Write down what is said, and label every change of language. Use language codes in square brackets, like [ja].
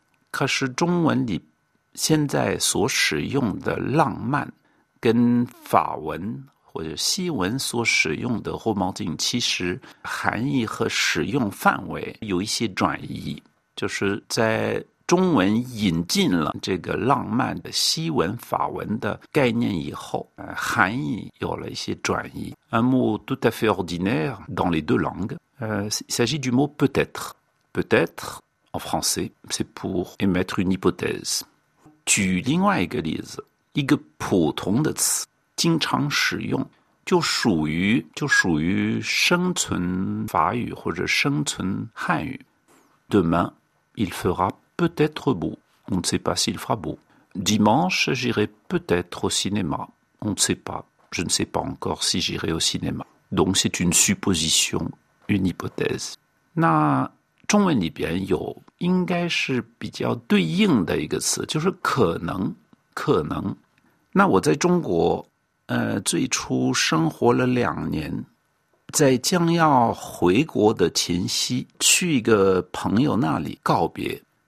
[zh] 可是中文里现在所使用的浪漫跟法文或者西文所使用的 romantisme 其实含义和使用范围有一些转移，就是在中文引进了这个浪漫的西文法文的概念以后，含义有了一些转移。 [fr] Un mot tout à fait ordinaire dans les deux langues. Il s'agit du mot peut-être. Peut-être, en français, c'est pour émettre une hypothèse. [zh] 举另外一个例子，一个普通的词，经常使用，就属于生存法语或者生存汉语。 [fr] Demain, il fera peut-être beau. On ne sait pas s'il fera beau. Dimanche, j'irai peut-être au cinéma. On ne sait pas. Je ne sais pas encore si j'irai au cinéma. Donc c'est une supposition, une hypothèse. [zh] 那中文里边有应该是比较对应的一个词，就是可能，可能。那我在中国，最初生活了两年，在将要回国的前夕，去一个朋友那里告别。